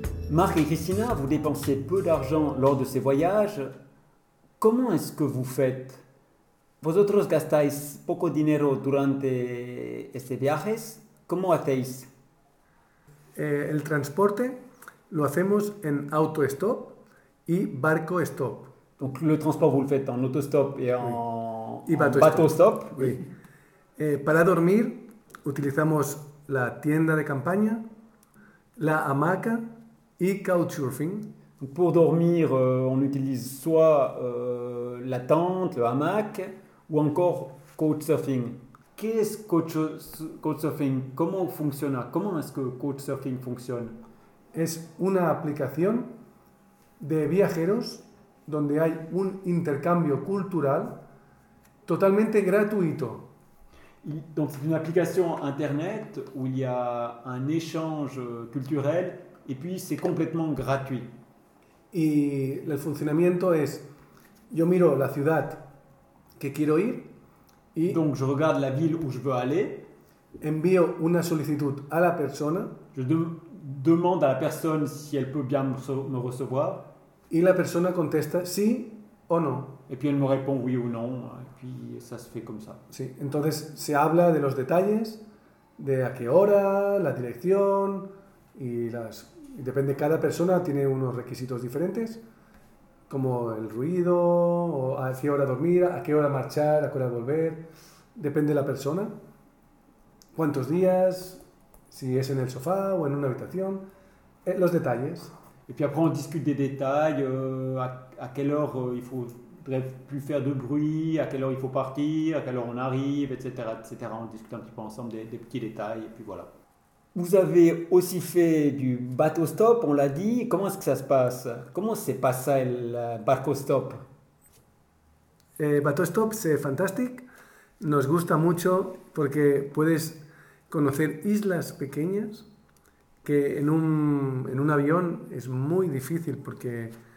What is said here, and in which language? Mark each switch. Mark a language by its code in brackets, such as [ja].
[fr] Marc et Christina, vous dépensez peu d'argent lors de ces voyages. Comment est-ce que vous faites? [es] Vosotros gastáis poco dinero durante estos viajes. ¿Cómo hacéis? El transporte lo hacemos en auto stop y barco stop. [fr] Donc le transport vous le faites en autostop et [es] y [fr] bateau stop. Oui. [es] Para dormir utilizamos la tienda de campaña, la hamaca y couchsurfing. [fr] Pour dormir, on utilise soit la tente, le hamac, ou encore couchsurfing. Qu'est-ce couchsurfing? Comment fonctionne? Comment est-ce que couchsurfing fonctionne? [es] Es una aplicación de viajeros donde hay un intercambio cultural totalmente gratuito. [fr] Donc c'est une application internet où il y a un échange culturel. Et puis, c'est complètement gratuit. Et le fonctionnement est, je [es] miro la ciudad que quiero ir. [fr] Et donc, je regarde la ville où je veux aller. [es] Envío una solicitud a la persona. [fr] Je demande à la personne si elle peut bien me recevoir. [es] Et la persona contesta sí o no. [fr] Et puis, elle me répond oui ou non. Et puis, ça se fait comme ça. [es] Sí. Entonces, se habla de los detalles, de a qué hora, la dirección. Depende, cada persona tiene unos requisitos diferentes, como el ruido, o a qué hora dormir, a qué hora marchar, a qué hora volver. Depende de la persona, cuántos días, si es en el sofá o en una habitación, los detalles. [fr] Y puis après, on discute des détails, à quelle heure il ne faudrait plus faire de bruit, à quelle heure il faut partir, à quelle heure on arrive, etc. etc. On discute un petit peu ensemble des petits détails, et puis voilà. Vous avez aussi fait du bateau stop, on l'a dit. Comment est-ce que ça se passe? [es] Comment se passa el barco stop? [fr] Bateau stop, c'est fantastique. [es] Nos gusta mucho porque puedes conocer islas pequeñas que en un avión es muy difícil porque...